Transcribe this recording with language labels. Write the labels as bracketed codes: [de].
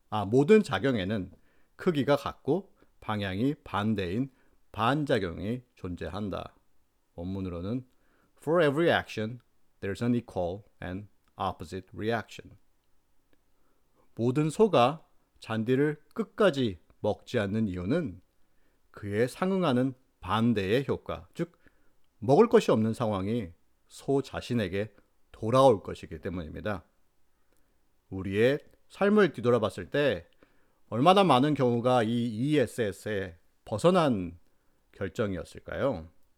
[ko] 모든 작용에는 크기가 같고 방향이 반대인 반작용이 존재한다. 원문으로는 [en] For every action, there's an equal and opposite reaction. [ko] 모든 소가 잔디를 끝까지 먹지 않는 이유는 그에 상응하는 반대의 효과, 즉 먹을 것이 없는 상황이 소 자신에게 돌아올 것이기 때문입니다. 우리의 삶을 뒤돌아 봤을 때 얼마나 많은 경우가 이 ESS에 벗어난 결정이었을까요?